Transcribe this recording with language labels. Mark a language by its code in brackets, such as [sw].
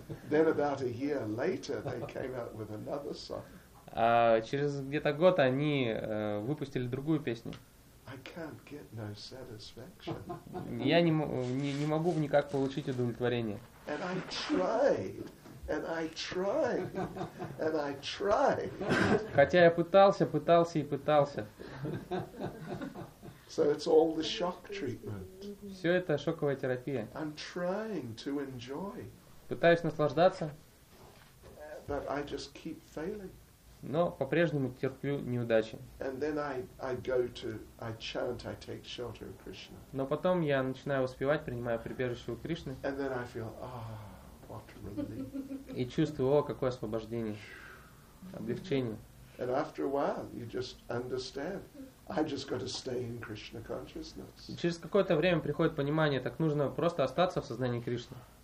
[en] Then about a year later, they came out with another song. [ru] А через где-то год они выпустили другую песню. [en] I can't get no satisfaction. [ru] Я не могу никак получить удовлетворение. [en] And I tried, and I tried, and I tried. [ru] Хотя я пытался, пытался и пытался. [en] So it's all the shock treatment. [ru] Все это шоковая терапия. [en] I'm trying to enjoy. [ru] Пытаюсь наслаждаться. [en] But I just keep failing. [ru] Но по-прежнему терплю неудачи. [en] And then I go to, I chant, I take shelter of Krishna. [ru] Но потом я начинаю воспевать, принимаю прибежище у Кришны. [en] And then I feel, oh, what relief. [ru] И чувствую, о, какое освобождение, облегчение. [en] And after a while, you just understand, I just got to stay in Krishna consciousness. [ru] И через какое-то время приходит понимание, так нужно просто остаться в сознании Кришны.